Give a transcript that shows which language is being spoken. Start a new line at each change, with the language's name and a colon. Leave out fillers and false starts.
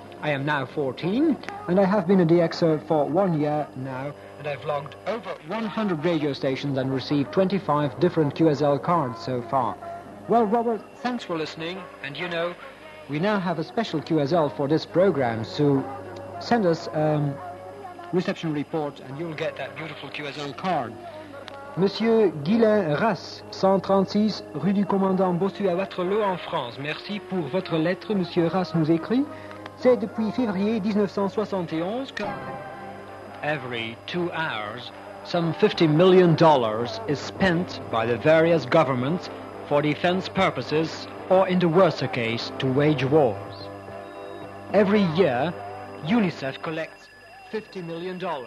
English: I am now 14 and I have been a DXer for 1 year now, and I've logged over 100 radio stations and received 25 different QSL cards so far. Well, Robert, thanks for listening, and you know, we now have a special QSL for this program, so send us a reception report and you'll get that beautiful QSL card.
French: Monsieur Guilain Rass, 136, rue du Commandant Bossu à Waterloo en France. Merci pour votre lettre, Monsieur Rass nous écrit. C'est depuis février 1971 que...
English: Every 2 hours, some $50 million is spent by the various governments for defense purposes, or in the worst case, to wage wars. Every year, UNICEF collects $50 million.